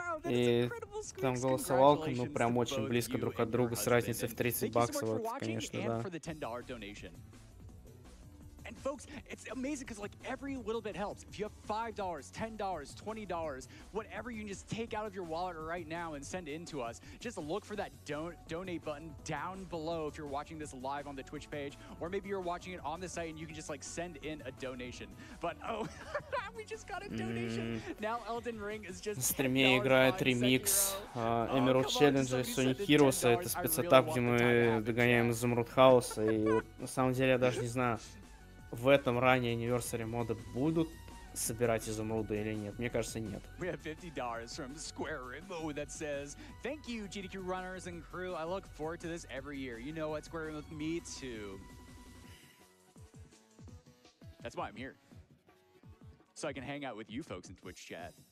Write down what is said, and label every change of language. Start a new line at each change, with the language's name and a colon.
Russian: И там голосовалка, ну прям очень близко друг от друга с разницей в $30, это, конечно, да.
English: And folks, it's amazing because like every little bit helps. If you have $5, $10, $20, whatever you can just take out of your wallet right now and send in to us, just look for that donate button down below if you're watching this live on the Twitch page, or maybe you're watching it on the site and you can just like send in a donation. But oh, we just got a donation. Now Elden Ring is just
Russian: $10. Стриме играет ремикс Emerald Challenge и Sonic Heroes. Это спецэтап, где мы догоняем Изумруд Хаоса. И вот, на самом деле, я даже не знаю, в этом ранее Anniversary мода будут собирать изумруды или нет. Мне кажется, нет.
English: We have $50 from Square Rainbow that says, thank you, GDQ runners and crew. I look forward to this every year. You know what, Square Rainbow, me too. That's why I'm here. So I can hang out with you folks in Twitch chat.